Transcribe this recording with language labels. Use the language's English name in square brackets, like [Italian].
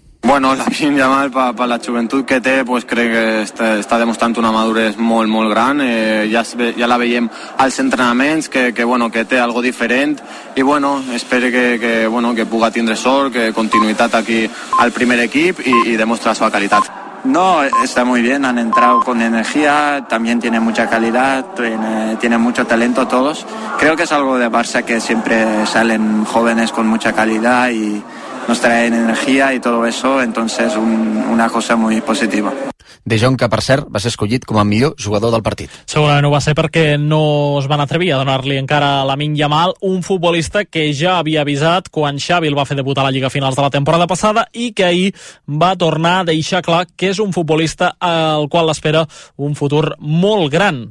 [Catalan] Bueno, Lamine Yamal, per la joventut que té, pues crec que està demostrant una maduresa molt, molt gran. Ja la veiem als entrenaments, que té algo diferent. I bueno, espero que puga tindre sort, que continuïtat aquí al primer equip i demostra la seva qualitat. [Spanish] No, está muy bien, han entrado con energía, también tiene mucha calidad, tiene mucho talento todos. Creo que es algo de Barça, que siempre salen jóvenes con mucha calidad y nos traen energía y todo eso, entonces una cosa muy positiva. [Catalan] De Jong, que per cert va ser escollit com a millor jugador del partit. Segurament ho va ser perquè no es van atrevir a donar-li encara a Lamine Yamal, un futbolista que ja havia avisat quan Xavi el va fer debutar a la Lliga finals de la temporada passada i que ahir va tornar a deixar clar que és un futbolista al qual l'espera un futur molt gran.